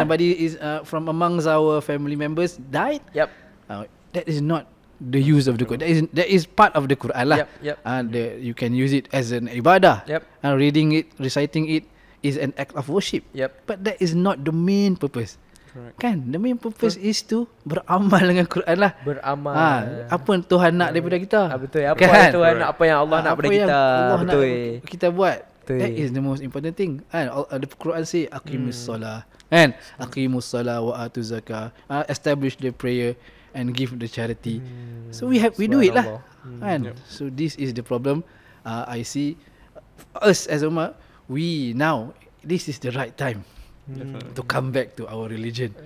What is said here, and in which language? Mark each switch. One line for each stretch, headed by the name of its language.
English: Somebody is from amongst our family members died. Yep. That is not the use of the Quran. That is part of the Quran lah. You can use it as an ibadah. Yep. And reading it, reciting it is an act of worship. Yep. But that is not the main purpose. Correct. Kan? The main purpose is to
Malay: beramal dengan Quran lah. Beramal. Apa yang Tuhan nak daripada kita? Betul. Apa kan? Yang Tuhan nak, apa yang Allah nak daripada kita? Allah betul. Nak kita buat. Betul.
English: That is the most important thing. And the Quran say
Arabic: aqimus salah.
English: Kan?
Arabic: Aqimus salah wa atuz zakah.
English: Establish the prayer and give the charity. So we do it lah. So this is the problem. I see us as ummah, we now, this is the right time to come back to our religion.